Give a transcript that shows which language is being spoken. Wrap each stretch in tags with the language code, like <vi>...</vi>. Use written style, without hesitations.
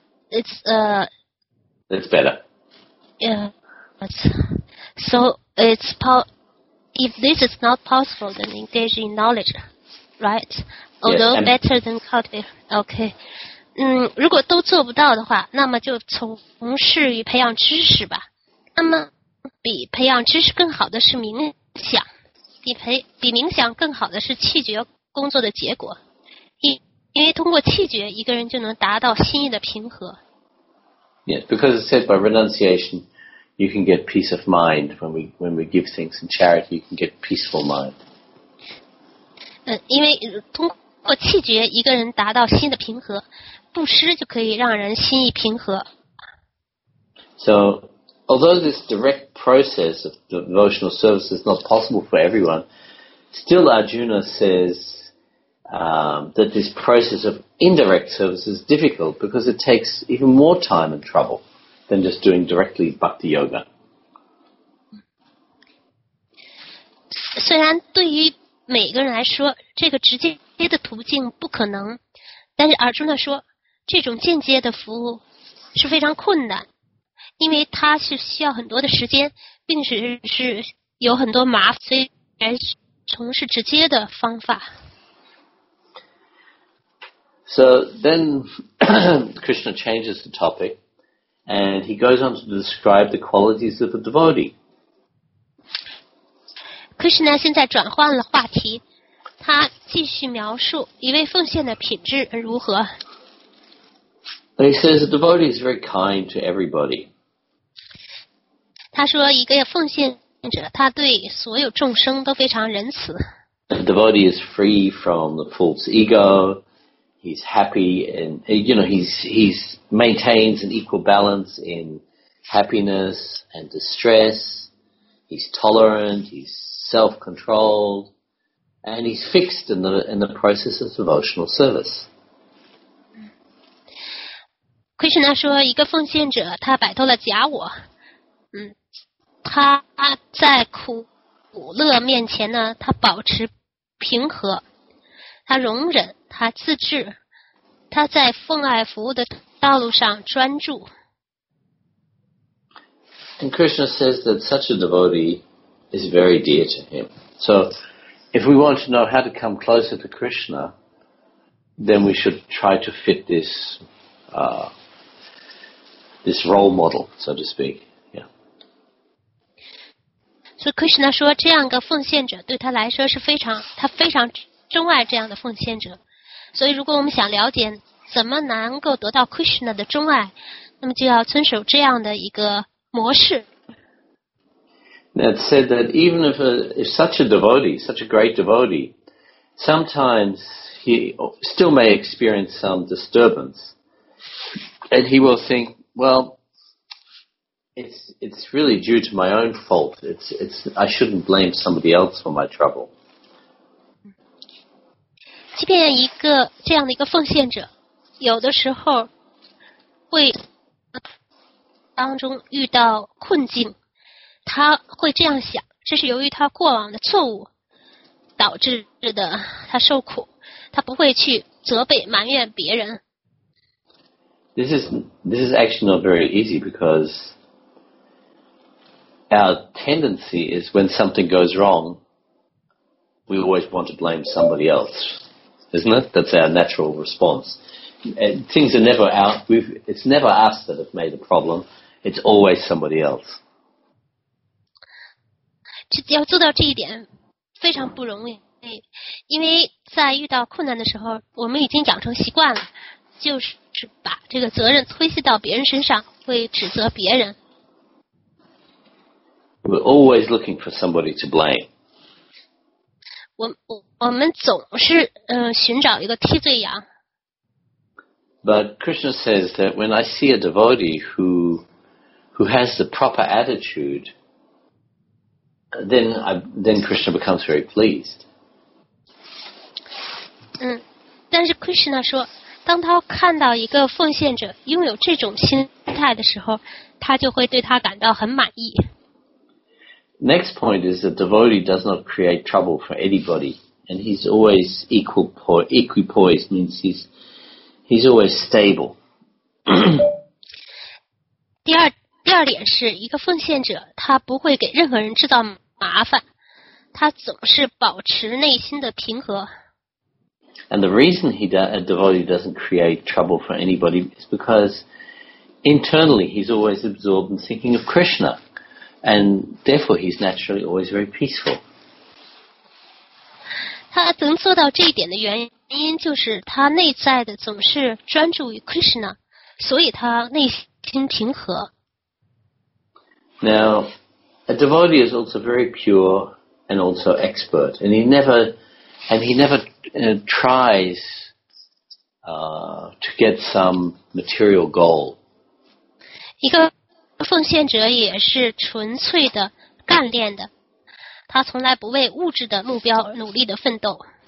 <en>It's better. Yeah. So it's if this is not possible, then engage in knowledge, right? Although yes, better than cultivate. Okay.</en> <zh>如果都做不到的话，那么就从事于培养知识吧。那么比培养知识更好的是冥想，比冥想更好的是气觉工作的结果。因为通过气觉，一个人就能达到心意的平和。</zh> <en>Yeah, because it said by renunciation, you can get peace of mind. When we give things in charity, you can get peaceful mind.</en> <zh>因为通过气觉，一个人达到心的平和，布施就可以让人心意平和。</zh> <en>So, although this direct process of devotional service is not possible for everyone, still Arjuna says, that this process of indirect service is difficult because it takes even more time and trouble than just doing directly bhakti yoga.</en> <zh>虽然对于每个人来说，这个直接的途径不可能，但是阿尔朱纳说，这种间接的服务是非常困难，因为它是需要很多的时间，并且是有很多麻烦，所以来从事直接的方法。</zh> <en>So then Krishna changes the topic and he goes on to describe the qualities of a devotee.</en> <zh>Krishna 现在转换了话题，他继续描述一位奉献的品质如何。</zh> <en>And he says a devotee is very kind to everybody.</en> <zh>他说一个奉献者，他对所有众生都非常仁慈。</zh> <en>A devotee is free from the false ego. He's happy and, you know, he's maintains an equal balance in happiness and distress. He's tolerant, he's self-controlled, and he's fixed in the process of devotional service.</en> <zh>Krishna 说一个奉献者他摆脱了假我。他在苦乐面前呢他保持平和。他容忍他自制。他在奉爱服务的道路上专注。</zh> <en>And Krishna says that such a devotee is very dear to him. So, if we want to know how to come closer to Krishna, then we should try to fit this, this role model, so to speak. Yeah.</en> <zh>So Krishna 说，这样一个奉献者对他来说是非常，他非常钟爱这样的奉献者。所以，如果我们想了解怎么能够得到 Krishna 的钟爱，那么就要遵守这样的一个模式。</zh> <en>That said, that even if such a devotee, such a great devotee, sometimes he still may experience some disturbance, and he will think, well, it's really due to my own fault. It's I shouldn't blame somebody else for my trouble.</en> <zh>即便一个这样的一个奉献者，有的时候会当中遇到困境，他会这样想，这是由于他过往的错误导致的，他受苦，他不会去责备埋怨别人。</zh> <en>This is actually not very easy because our tendency is when something goes wrong, we always want to blame somebody else. Isn't it? That's our natural response. Things are never out. It's never us that have made the problem. It's always somebody else.</en> <zh>这要做到这一点非常不容易，因为在遇到困难的时候，我们已经养成习惯了，就是把这个责任推卸到别人身上，会指责别人。</zh> <en>We're always looking for somebody to blame.</en> <zh>我们总是寻找一个替罪羊。</zh> <en>But Krishna says that when I see a devotee who has the proper attitude, then Krishna becomes very pleased.</en> <zh>但是 Krishna 说，当他看到一个奉献者拥有这种心态的时候，他就会对他感到很满意。</zh> <en>Next point is that devotee does not create trouble for anybody, and he's always equipoised, means he's always stable.</en> <zh>第二点是一个奉献者，他不会给任何人制造麻烦，他总是保持内心的平和。</zh> <en>And the reason a devotee doesn't create trouble for anybody is because internally he's always absorbed in thinking of Krishna, and therefore he's naturally always very peaceful.</en> <zh>他能做到这一点的原因就是他内在的总是专注于 Krishna, 所以他内心平和。</zh> <en>Now, a devotee is also very pure and also expert, and he never tries to get some material goal.</en> <zh>一个奉献者也是纯粹的、干练的，他从来不为物质的目标而努力的奋斗。</zh>